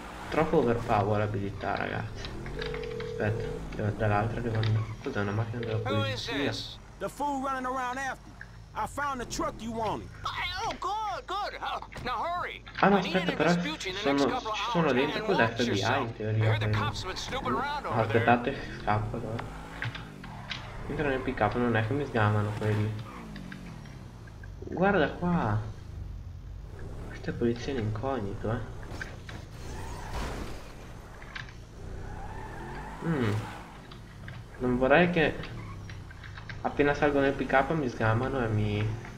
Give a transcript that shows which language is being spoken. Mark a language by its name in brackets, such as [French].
[Italian] Troppo overpower abilità, ragazzi. Aspetta, dall'altra devo andare. Cos'è, una macchina della polizia? [English] The fool running around after. I found the truck you wanted. Good. Now hurry. [Italian] Ah no, aspetta, però sono dentro. Cos'è FBI in teoria? Aspettate, scappo allora. Entra nel pick up, non è che mi sgamano quelli. Guarda qua, questa è polizia in incognito, Non vorrei che appena salgo nel pick up mi sgamano e mi...